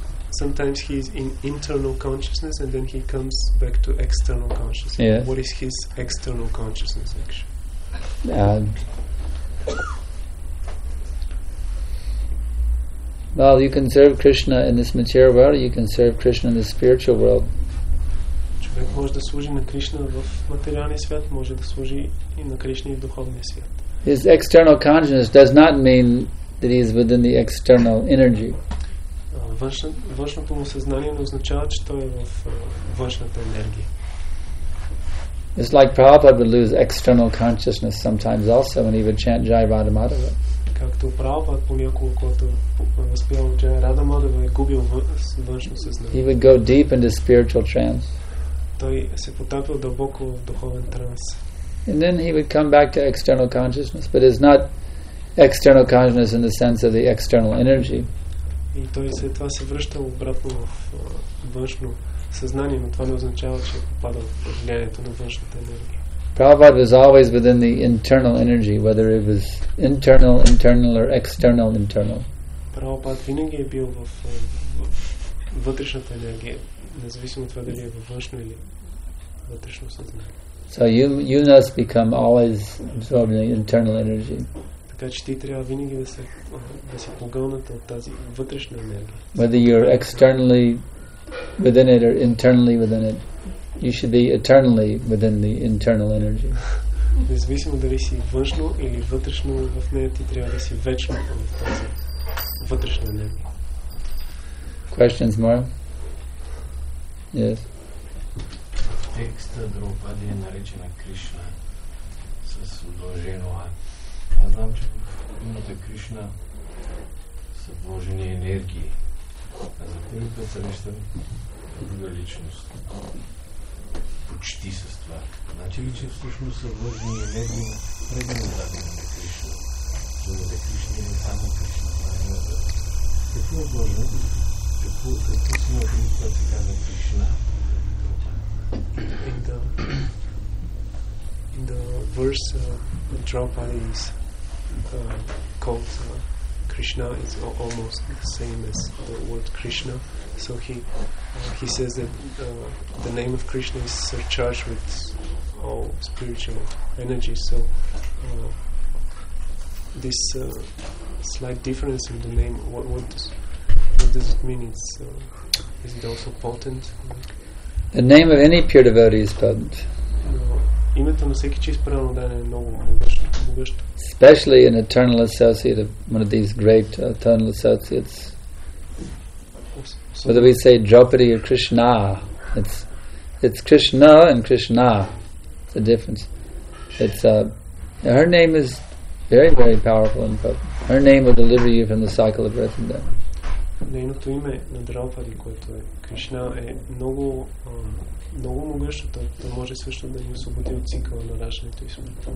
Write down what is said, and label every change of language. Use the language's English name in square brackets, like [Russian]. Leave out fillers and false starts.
[English] Sometimes he is in internal consciousness and then he comes back to external consciousness. Yes. What is his external consciousness, actually? Well, you can serve Krishna in this material world, or you can serve Krishna in the spiritual world. [Bulgarian] Човек може да служи на Кришна в материалния свят, може да служи и на Кришна и в духовния свят. [English] His external consciousness does not mean that he is within the external energy. [Bulgarian] Външното му съзнание не означава, че той е в външната енергия. [English] It's like Prabhupada would lose external consciousness sometimes also when he would chant Jai Radha Madhava. [Bulgarian] Както Прабхупада понякога, когато възпявал Джай Рада Мадхава, е губил външно съзнание. [English] He would go deep into spiritual trance. [Bulgarian] Той се потапил дълбоко в духовен транс. [English] And then he would come back to external consciousness, but it's not external consciousness in the sense of the external energy. [Bulgarian] И той след това се връщал обратно в външно съзнание, но това не означава, че е попадал в влиянието на външната енергия. [English] Prabhupada was always within the internal energy, whether it was internal or external internal. [Bulgarian] Prabhupada винаги е бил в вътрешната енергия, независимо от това дали е във външно или вътрешно съзнание. [English] So you must become always absorbed in the internal energy. Така че ти трябва винаги да си погълнат от тази вътрешна енергия. Whether you're externally within it or internally within it. You should be eternally within the internal energy. [Bulgarian] Независимо дали си външно или вътрешно в нея, ти трябва да си вечно в тази вътрешна енергия. [English] Questions more? Yes. [Bulgarian] Текста Драупади е наречена Кришна с удължено А. Аз знам, че в името Кришна са вложени енергии. А за първи път срещам друга личност. Почти с това. Значи ли, че всъщност са вложени енергии на предния задник на Кришна? Думата Кришна е само Кришна, това е едната. Какво е вложено? Какво си има преди, когато се казва Кришна? [English] In the verse Draupadi is called Krishna, it's almost the same as the word Krishna. So he says that the name of Krishna is surcharged with all spiritual energy. So this slight difference in the name, what does it mean? It's, is it also potent? The name of any pure devotee is potent. [Bulgarian] Името на всеки чист праведник е много могъщо. [English] Especially an eternal associate of one of these great eternal associates. Whether we say Draupadi or Krishna, it's Krishna and Krishna. It's a difference. It's her name is very, very powerful input. Her name will deliver you from the cycle of birth and death. [Bulgarian] Нейното име на Драупади, което е Кришна, е много, много могъщо, то може също да ни освободи от цикъла на раждането и смъртта.